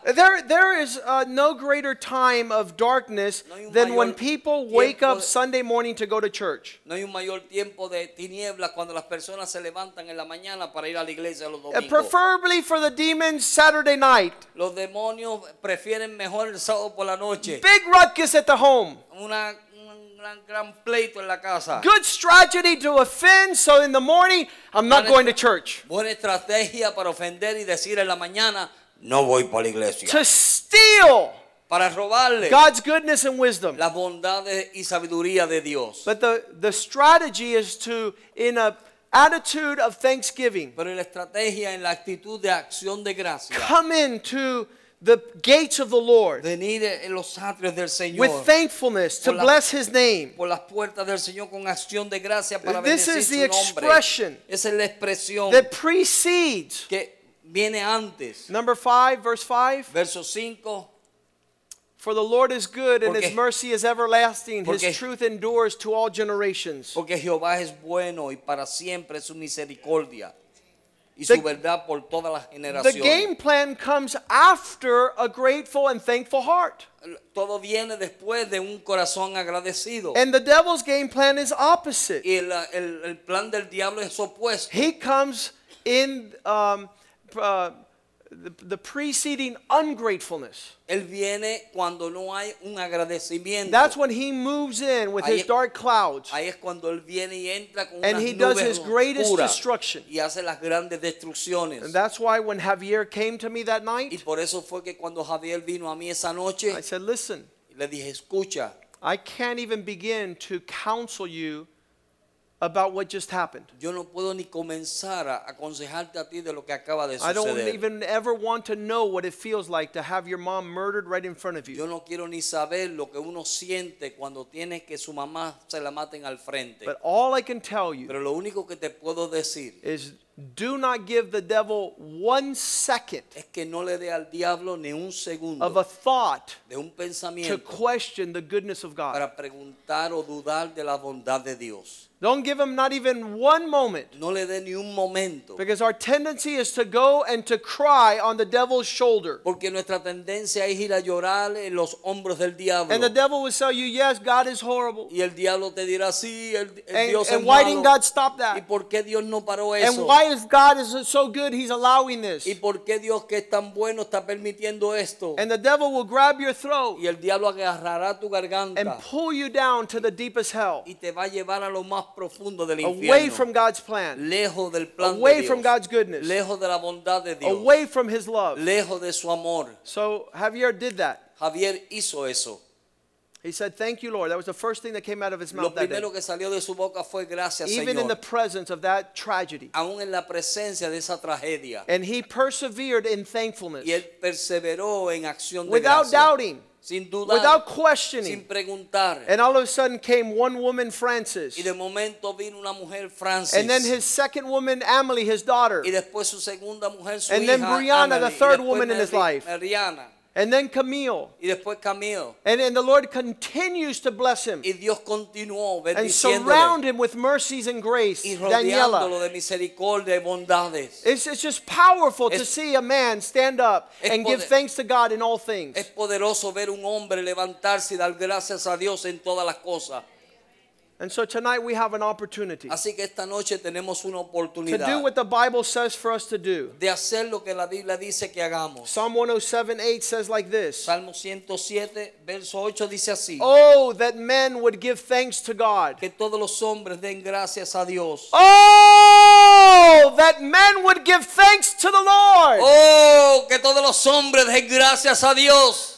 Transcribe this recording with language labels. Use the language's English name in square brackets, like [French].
[English] There is no greater time of darkness than when people wake up Sunday morning to go to church. [Spanish] No hay un mayor tiempo de tinieblas cuando las personas se levantan en la mañana para ir a la iglesia los domingos. [English] Preferably for the demons Saturday night. [Spanish] Los demonios prefieren mejor el sábado por la noche. [English] Big ruckus at the home. Good strategy to offend, so in the morning I'm not going to church. [Spanish] Buena estrategia para ofender y decir en la mañana no voy para la iglesia. [English] To steal [Spanish] para robarle [English] God's goodness and wisdom. [Spanish] La bondad y sabiduría de Dios. [English] But the strategy is to in a attitude of thanksgiving. [Spanish] Pero la estrategia en la actitud de acción de gracia. [English] Come into the gates of the Lord. [Spanish] Venir en los atrios del Señor. [English] With thankfulness to bless his name. [Spanish] Por las puertas del Señor con acción de gracia para bendecir su nombre. [English] This is the expression. [Spanish] Esa es la expresión. [English] That precedes. [Spanish] Que viene antes. [English] Number 5, verse 5. [Spanish] Verso 5. [English] For the Lord is good and his mercy is everlasting. His truth endures to all generations. [Spanish] Porque Jehová es bueno y para siempre su misericordia. Y su verdad por todas las generaciones. [English] The game plan comes after a grateful and thankful heart. [Spanish] Todo viene después de un corazón agradecido. [English] And the devil's game plan is opposite. [Spanish] Y el plan del diablo es opuesto. [English] He comes in the preceding ungratefulness. [Spanish] Él viene cuando no hay un agradecimiento. [English] That's when he moves in with his dark clouds. [Spanish] Ahí es cuando él viene y entra con [English] and he [Spanish] nubes [English] does his [Spanish] oscura. [English] Greatest destruction. [Spanish] Y hace las grandes destrucciones. [English] And that's why when Javier came to me that night, [Spanish] y por eso fue que cuando Javier vino a mí esa noche, [English] I said, listen, [Spanish] le dije, escucha, [English] I can't even begin to counsel you about what just happened. [Spanish] Yo no puedo ni comenzar a aconsejarte a ti de lo que acaba de suceder. [English] I don't even ever want to know what it feels like to have your mom murdered right in front of you. [Spanish] Yo no quiero ni saber lo que uno siente cuando tiene que su mamá se la maten al frente. [English] But all I can tell you, [Spanish] pero lo único que te puedo decir, [English] is do not give the devil 1 second. [Spanish] Es que no le dé al diablo ni un segundo. [English] Of a thought. [Spanish] De un pensamiento. [English] To question the goodness of God. [Spanish] Para preguntar o dudar de la bondad de Dios. [English] Don't give him not even 1 moment. [Spanish] No le dé ni un momento. [English] Because our tendency is to go and to cry on the devil's shoulder. [Spanish] Porque nuestra tendencia es ir a llorar en los hombros del diablo. [English] And the devil will tell you, yes, God is horrible. [Spanish] Y el diablo te dirá, sí, el Dios es malo. [English] And why didn't God stop that? [Spanish] ¿Y por qué Dios no paró eso? [English] And why is God is so good, he's allowing this? [Spanish] ¿Y por qué Dios que es tan bueno está permitiendo esto? [English] And the devil will grab your throat. [Spanish] Y el diablo agarrará tu garganta. [English] And pull you down to the deepest hell. [Spanish] Y te va a llevar a lo más profundo del infierno. [English] Away from God's plan. [Spanish] Lejos del plan de Dios. [English] Away from God's goodness. [Spanish] Lejos de la bondad de Dios. [English] Away from his love. [Spanish] Lejos de su amor. [English] So Javier did that. [Spanish] Javier hizo eso. [English] He said, "Thank you, Lord." That was the first thing that came out of his mouth. [Spanish] Lo primero [English] that day. [Spanish] Que salió de su boca fue, "Gracias, [English] Even [Spanish] Señor. [English] In the presence of that tragedy. [Spanish] Aún en la presencia de esa tragedia. [English] And he persevered in thankfulness. [Spanish] Y él perseveró en acción [English] Without [Spanish] de gracia. [English] Doubting. [Spanish] Sin dudar, [English] without questioning, [Spanish] sin preguntar. [English] And all of a sudden came one woman, Frances. [Spanish] Y de momento vino una mujer, Frances. [English] And then his second woman, Amelie, his daughter. [Spanish] Y después su segunda mujer, su [English] and [Spanish] hija, [English] then Brianna, [Spanish] Amelie. [English] The third woman in his life. [Spanish] Mariana. [English] And then Camille. [Spanish] Y después Camille. [English] And the Lord continues to bless him. [Spanish] Y Dios continuó bendiciéndole. [English] And surround him with mercies and grace. [Spanish] Y rodeándolo de misericordia y bondades. [English] It's just powerful to see a man stand up and give thanks to God in all things. [Spanish] Es poderoso ver un hombre levantarse y dar gracias a Dios en todas las cosas. [English] And so tonight we have an opportunity. [Spanish] Así que esta noche tenemos una oportunidad. [English] To do what the Bible says for us to do. [Spanish] De hacer lo que la Biblia dice que hagamos. [English] Psalm 107:8 says like this. [Spanish] Salmo 107, verso 8 dice así. [English] Oh, that men would give thanks to God. [Spanish] Que todos los hombres den gracias a Dios. [English] Oh, that men would give thanks to the Lord. [Spanish] Oh, que todos los hombres den gracias a Dios.